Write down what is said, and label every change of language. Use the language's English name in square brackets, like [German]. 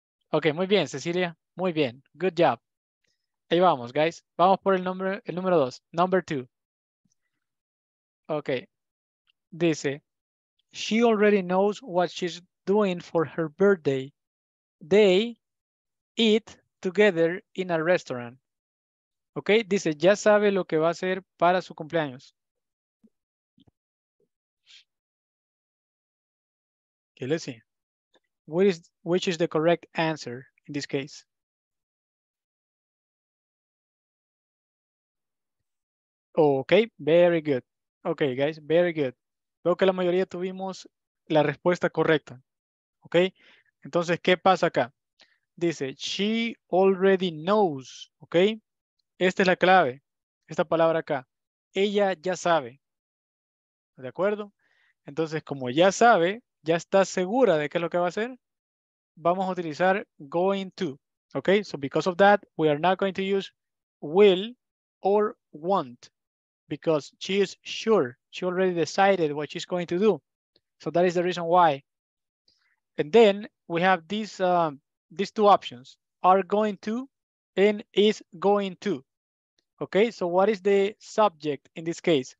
[Spanish] Ok, muy bien, Cecilia. Muy bien. [English] Good job. [Spanish] Ahí vamos, guys. Vamos por el número 2. Number 2. Ok. [English] Dice, she already knows what she's doing for her birthday. They eat together in a restaurant. [Spanish] Ok, dice, ya sabe lo que va a hacer para su cumpleaños. ¿Qué le decía? [English] which is the correct answer in this case? Okay, very good. Okay, guys, very good. [Spanish] Veo que la mayoría tuvimos la respuesta correcta. Okay, entonces, ¿qué pasa acá? Dice, [English] she already knows. [Spanish] Okay, esta es la clave. Esta palabra acá. Ella ya sabe. ¿De acuerdo? Entonces, como ya sabe, ya está segura de qué es lo que va a hacer, vamos a utilizar going to. [English] Okay, so because of that, we are not going to use will or want. Because she is sure. She already decided what she's going to do. So that is the reason why. And then we have these two options. Are going to and is going to. Okay, so what is the subject in this case?